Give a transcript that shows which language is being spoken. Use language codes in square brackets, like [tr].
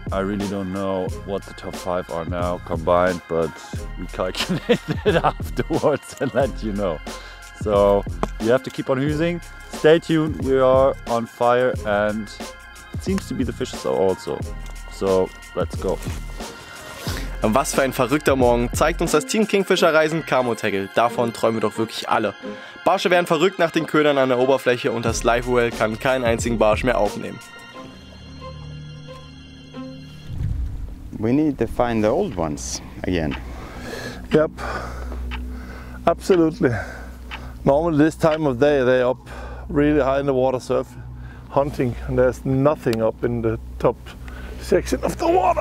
[en] I really don't know what the top 5 are now combined, but we calculated it afterwards and let you know. So you have to keep on using. Stay tuned, we are on fire and it seems to be the fishes are also. So let's go. [de] Was für ein verrückter Morgen zeigt uns das Team Kingfisher Reisen Camo Tackle. Davon träumen wir doch wirklich alle. Barsche werden verrückt nach den Ködern an der Oberfläche und das Live Well kann keinen einzigen Barsch mehr aufnehmen. [en] We need to find the old ones again. Yep. Absolutely. Normally this time of day they up really high in the water surf hunting and there's nothing up in the top section of the water.